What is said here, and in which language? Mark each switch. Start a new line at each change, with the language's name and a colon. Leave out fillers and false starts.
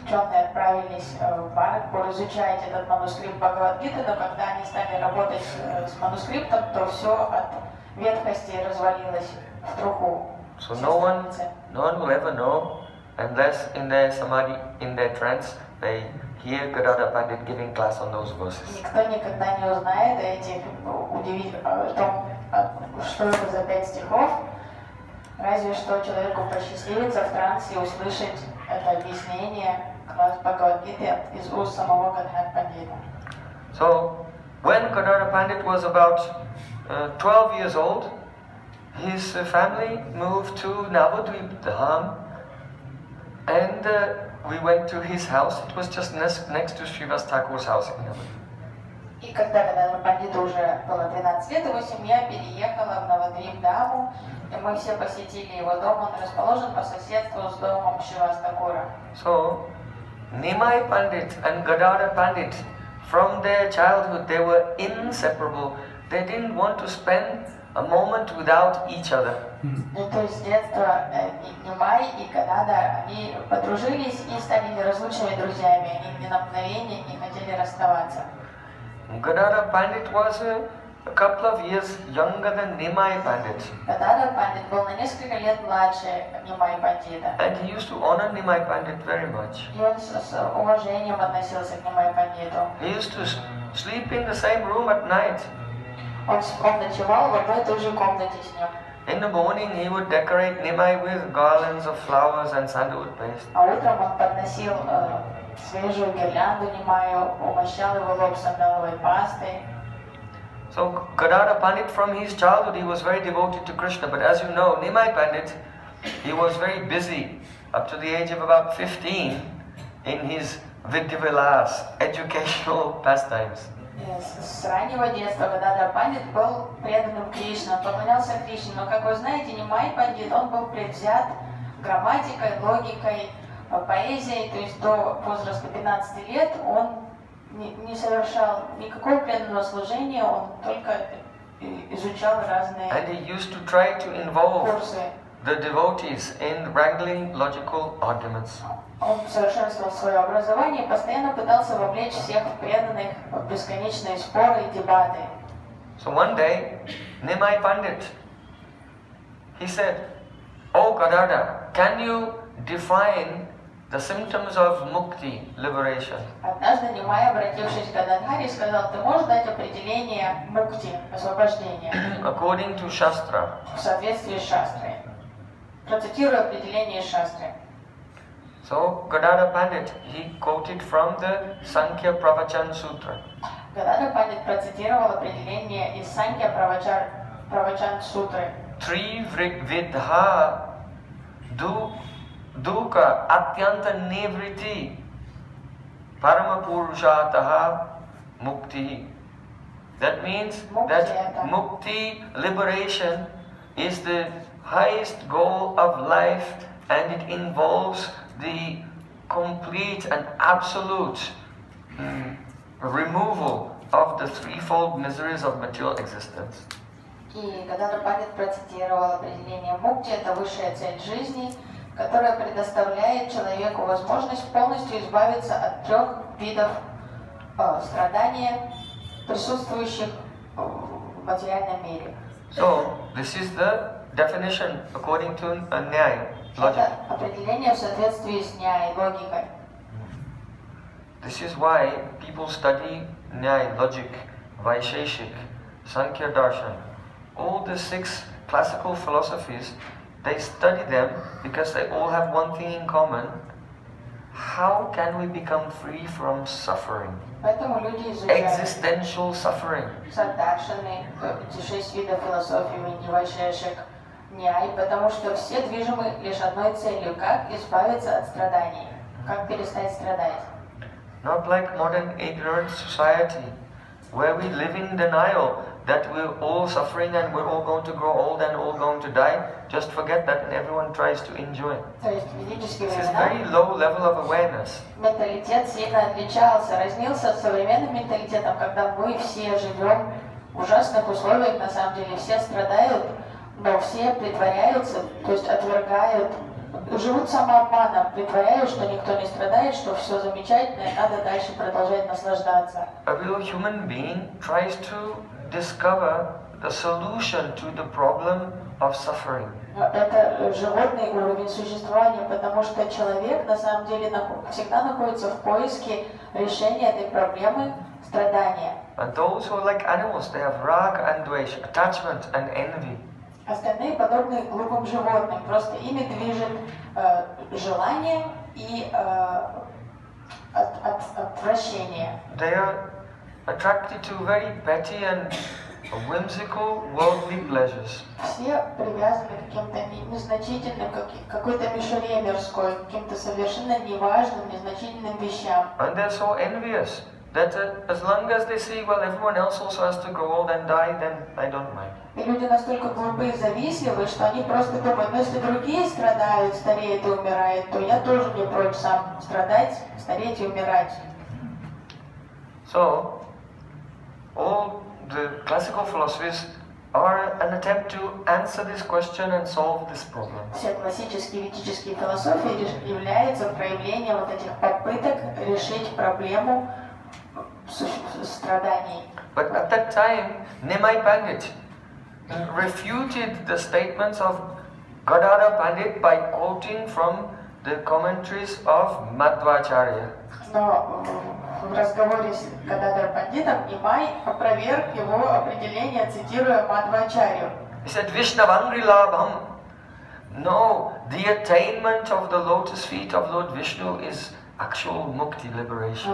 English: So no one will ever know unless in their samadhi, in their trance, they hear Gadadhar Pandit giving class on those verses.
Russian: Разве что человеку посчастливится в трансе услышать это объяснение Бхагавад Гиты из уст самого Гадхар Пандита.
English: So, when Gadadhar Pandit was about 12 years old, his family moved to Navadvip Dham, and we went to his house. It was just next to Srivas Thakur's house in Navadvip.
Russian: И когда Гадхар Пандиту уже было 13 лет, его семья переехала в Навадвип Даму. И мы все посетили его дом, он расположен по соседству с домом Шривас Такура.
English: So, Nimai Pandit and Gadadhar Pandit, from their childhood, they were inseparable. They didn't want to spend a moment without each other.
Russian: То есть с детства Nimai и Gadadhar, они подружились и стали неразлучными друзьями. Они ни на мгновение не хотели расставаться.
English: Gadadhar Pandit was a couple of years younger than Nimai Pandit.
Russian: Gadadhar Pandit был на несколько лет младше Nimai Pandita.
English: And he used to honor Nimai Pandit very much.
Russian: И он с уважением относился к Nimai Panditu.
English: He used to sleep in the same room at night.
Russian: Он ночевал в одной и той же комнате с ним.
English: In the morning he would decorate Nimai with garlands of flowers and sandalwood paste.
Russian: А утром он подносил свежую гирлянду Nimai, умощал его лоб сандаловой пастой.
English: So Gadadhar Pandit, from his childhood, he was very devoted to Krishna. But as you know, Nimai Pandit, he was very busy up to the age of about 15 in his Vidyavilas, educational pastimes.
Russian: С раннего детства, когда пандит был преданным Кришне, он поклонялся Кришне, но, как вы знаете, не май пандит, он был предвзят грамматикой, логикой, поэзией, то есть до возраста 15 лет он не совершал никакого преданного служения, он только изучал разные
English: And he used to try to involve
Russian: курсы.
English: The devotees in wrangling logical arguments.
Russian: Он совершенствовал свое образование и постоянно пытался вовлечь всех в преданных в бесконечные споры и дебаты.
English: So one day, Nimai Pandit, he said, "O Gadadhar, can you define the symptoms of mukti, liberation?"
Russian: Однажды Нимай, обратившись к Гададхаре, сказал, "Ты можешь дать определение мукти, освобождения?"
English: According to Shastra.
Russian: В соответствии с Шастрой. Процитирую определение Шастры.
English: So Gadadhar Pandit, he quoted from the Sankhya Pravachan Sutra.
Russian: Gadadhar Pandit процитировал определение из Sankhya Pravachan Sutra.
Sanskrit: Три Ригведа дука атьянта невритти парамапурушатаха мукти.
English: That means that мукти, liberation, is the highest goal of life and it involves the complete and absolute removal of the threefold miseries of material existence.
Russian: И когда Рупанит процитировал определение мукти, это высшая цель жизни, которая предоставляет человеку возможность полностью избавиться от трех видов страдания, присутствующих в материальном мире.
English: So, this is the definition according to Nyaya.
Russian: Это определение в соответствии с ньяй, логикой.
English: This is why people study ньяй, logic, vaisheshik, sankhya darshan. All the six classical philosophies, they study them because they all have one thing in common. How can we become free from suffering?
Russian: Поэтому люди изучают
English: existential suffering.
Russian: Саддаршаны, эти шесть видов философии, ньяй, vaisheshik. Потому что все движимы лишь одной целью, как избавиться от страданий, как перестать страдать.
English: Not like modern ignorant society, where we live in denial that we're all suffering and we're all going to grow old and all going to die, just forget that and everyone tries to enjoy. This is very low level of awareness.
Russian: Менталитет сильно отличался, разнился от современным менталитетом, когда мы все живем в ужасных условиях, на самом деле все страдают, но все притворяются, то есть отвергают, живут самообманом, притворяют, что никто не страдает, что все замечательно, и надо дальше продолжать наслаждаться.
English: A real human being tries to discover the solution to the problem of suffering.
Russian: Это животный уровень существования, потому что человек на самом деле всегда находится в поиске решения этой проблемы страдания.
English: And those who are like animals, they have raga and dvesha, attachment and envy.
Russian: Остальные подобные глупым животным, просто ими движет желание и отвращение.
English: They are attracted to very petty and whimsical worldly pleasures.
Russian: Все привязаны к каким-то незначительным, какой-то мишуре мирской, к каким-то совершенно неважным, незначительным вещам.
English: And they're so envious that as long as they see, well, everyone else also has to grow old and die, then I don't mind.
Russian: И люди настолько глупые и завистливы, что они просто думают, ну если другие страдают, стареют и умирают, то я тоже не прочь сам страдать, стареть и умирать.
English: So, all the classical philosophies are an attempt to answer this question and solve this problem.
Russian: Все классические ведические философии являются проявлением вот этих попыток решить проблему страданий.
English: But at that time, Nimai Pandit refuted the statements of Gadadhar Pandit by quoting from the commentaries of Madhvacharya.
Russian: Но в разговоре с Гададхар Пандитом Нимай опроверг его определение, цитируя Мадхвачарью.
English: He said,
Sanskrit: Vishnavangri labham.
English: No, the attainment of the lotus feet of Lord Vishnu is actual mukti liberation.